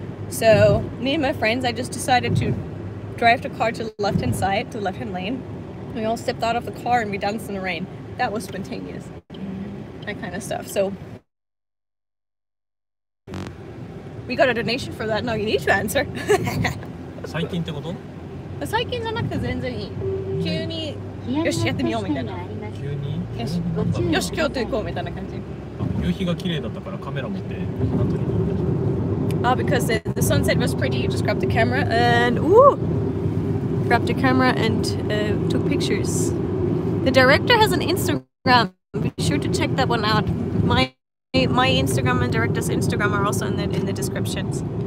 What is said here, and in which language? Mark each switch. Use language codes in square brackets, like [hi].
[en] So me and my friends, I just decided to drive the car to the left-hand side, to the left-hand lane. We all stepped out of the car and we danced in the rain. That was spontaneous. that kind of stuff. So we got a donation for that. Now you need to answer. [ja] 最近ってこと？最近じゃなくて全然いい。急に、よしやってみようみたいな。急に？よし、よし今日と行こうみたいな感じ。夕日が綺麗だったからカメラ持って何撮るの？ [en] Ah, because the sunset was pretty, you just grabbed the camera and ooh, grabbed the camera and took pictures. The director has an Instagram. Be sure to check that one out. My Instagram and director's Instagram are also in the descriptions.